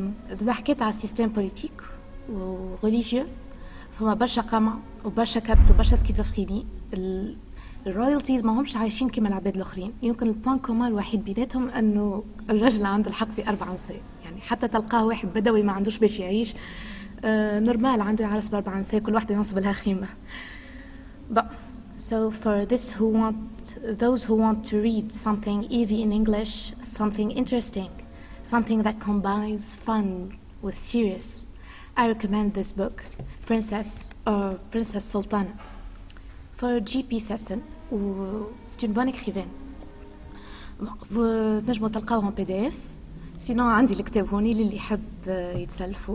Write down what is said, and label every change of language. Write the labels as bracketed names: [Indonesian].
[Arabic] إذا حكيت على السيستيم بوليتيك وغوليجيو فما برشا قمع وبرشا كبت وبرشا سكيتوفريني. الرويالتي ما همش عايشين كما العباد الآخرين، يمكن البوان كومان الوحيد بيناتهم أنه الرجل عنده الحق في 4 نساء، يعني حتى تلقاه واحد بدوي ما عندوش باش يعيش نورمال عنده يعرس بأربع نساء كل واحدة ينصب لها خيمة. [English] So for this who want, those who want to read something easy in English, something interesting, something that combines fun with serious, I recommend this book, Princess or Princess Sultana. [French] For GP Sasson, c'est une bonne écrivaine. Vous pouvez le trouver en PDF. Sinon, j'ai le livre [Arabic] هوني للي يحب يتسلفوا في أي وقت معنا نجم نعطيه لكم.